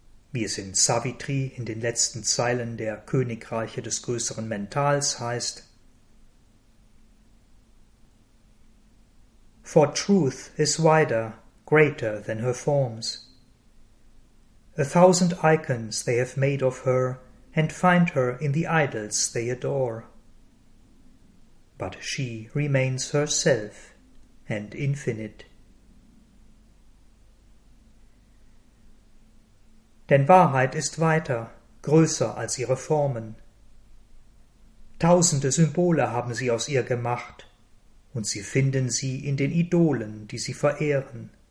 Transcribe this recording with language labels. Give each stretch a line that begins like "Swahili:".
German: Wie es in Savitri in den letzten Zeilen der Königreiche des größeren Mentals heißt:
English: For truth is wider, greater than her forms. A thousand icons they have made of her, and find her in the idols they adore. But she remains herself and infinite.
German: Denn Wahrheit ist weiter, größer als ihre Formen. Tausende Symbole haben sie aus ihr gemacht, und sie finden sie in den Idolen, die sie verehren.